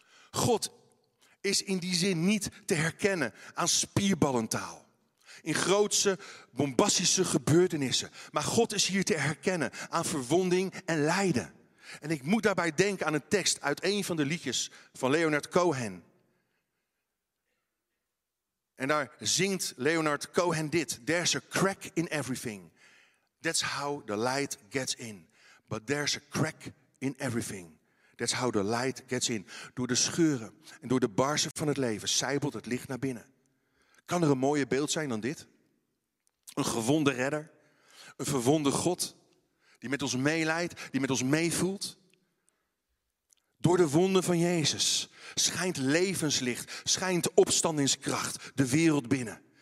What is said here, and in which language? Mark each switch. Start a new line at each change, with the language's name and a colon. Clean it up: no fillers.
Dutch: God is in die zin niet te herkennen aan spierballentaal. In grootse, bombastische gebeurtenissen. Maar God is hier te herkennen aan verwonding en lijden. En ik moet daarbij denken aan een tekst uit een van de liedjes van Leonard Cohen. En daar zingt Leonard Cohen dit.
English: There's a crack in everything. That's how the light gets in. But there's a crack in everything. That's how the light gets in.
Dutch: Door de scheuren en door de barsen van het leven sijpelt het licht naar binnen. Kan er een mooier beeld zijn dan dit? Een gewonde redder. Een verwonde God. Die met ons meeleidt, die met ons meevoelt. Door de wonden van Jezus schijnt levenslicht, schijnt opstandingskracht de wereld binnen.